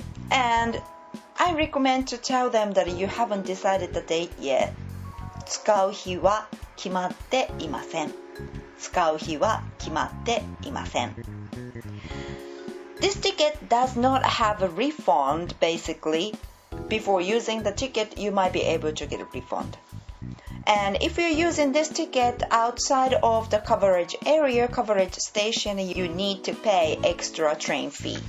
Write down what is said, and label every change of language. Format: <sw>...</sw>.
<en>And I recommend to tell them that you haven't decided the date yet.</en> <ja>使う日は決まっていません。使う日は決まっていません。</ja> <en>This ticket does not have a refund, basically. Before using the ticket, you might be able to get a refund. And if you're using this ticket outside of the coverage area, coverage station, you need to pay extra train fee.</en>